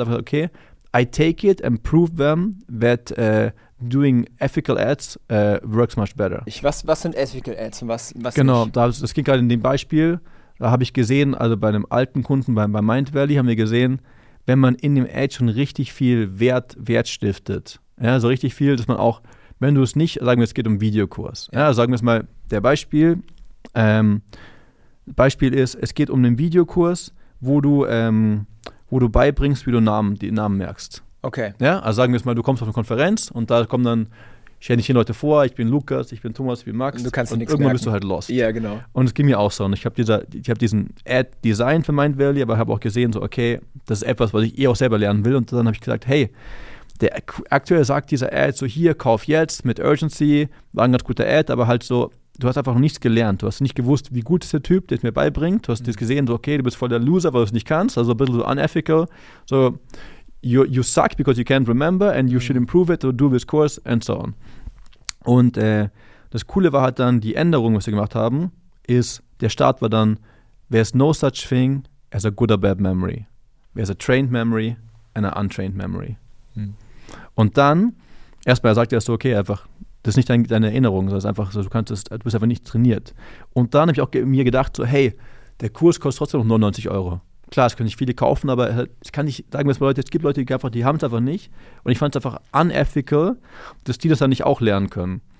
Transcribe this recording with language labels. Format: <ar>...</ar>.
<de>Aber okay,</de> <en>I take it and prove them that doing ethical ads works much better.</en> <de>Was sind ethical ads und was genau, nicht? Genau, das ging gerade in dem Beispiel. Da habe ich gesehen, also bei einem alten Kunden, bei Mindvalley, haben wir gesehen, wenn man in dem Ad schon richtig viel Wert stiftet, ja, so richtig viel, dass man auch, wenn du es nicht, sagen wir, es geht um Videokurs. Ja, sagen wir es mal, der Beispiel, Beispiel ist, es geht um einen Videokurs, wo du beibringst, wie du Namen merkst. Okay. Ja, also sagen wir es mal, du kommst auf eine Konferenz und da kommen dann, stell dich hier Leute vor, ich bin Lukas, ich bin Thomas, ich bin Max. Und du kannst und nichts merken. Bist du halt lost. Ja, genau. Und es ging mir auch so. Und ich habe diesen Ad designed für Mindvalley, aber habe auch gesehen, so okay, das ist etwas, was ich eh auch selber lernen will. Und dann habe ich gesagt, hey, der aktuell sagt dieser Ad so, hier, kauf jetzt mit Urgency, war ein ganz guter Ad, aber halt so, du hast einfach noch nichts gelernt. Du hast nicht gewusst, wie gut ist der Typ, der es mir beibringt. Du hast das gesehen, so, okay, du bist voll der Loser, weil du es nicht kannst. Also ein bisschen so unethical.</de> <en>So, you suck because you can't remember and you should improve it or do this course and so on.</en> <de>Und das Coole war halt dann, die Änderung, was wir gemacht haben, ist, der Start war dann,</de> <en>there's no such thing as a good or bad memory. There's a trained memory and an untrained memory.</en> <de>Und dann, erstmal sagt er so, okay, einfach, das ist nicht deine Erinnerung, sondern es ist einfach so, du bist einfach nicht trainiert. Und dann habe ich auch mir gedacht, so, hey, der Kurs kostet trotzdem noch 99 Euro. Klar, es können nicht viele kaufen, aber ich kann nicht sagen, dass Leute, es gibt Leute, die haben es einfach nicht. Und ich fand es einfach unethical, dass die das dann nicht auch lernen können.</de>